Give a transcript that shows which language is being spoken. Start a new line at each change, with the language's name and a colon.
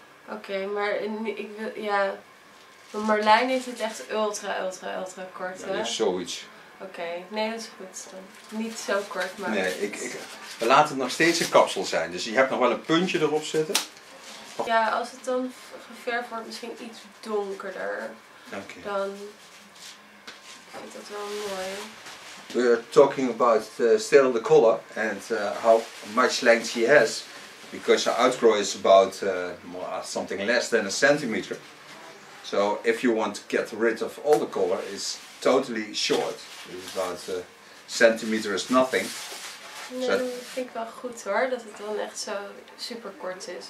Dutch: Oké, maar ik wil, Van Marlijn is het echt ultra kort, hè? Ja, zoiets. Oké, nee, dat is goed. Niet zo kort, maar... Nee, we laten het nog steeds een kapsel zijn. Dus je hebt nog wel een puntje erop zitten. Ja, als het dan geverfd wordt, misschien iets donkerder. Oké. Dan vind ik dat wel mooi.
English: We are talking about still the color and how much length she has. Because her outgrow is about something less than a centimeter. So if you want to get rid of all the color, it's totally short. It's about a centimeter is nothing.
Dutch: Nee, so ik vind wel goed hoor, dat het dan echt zo super kort is.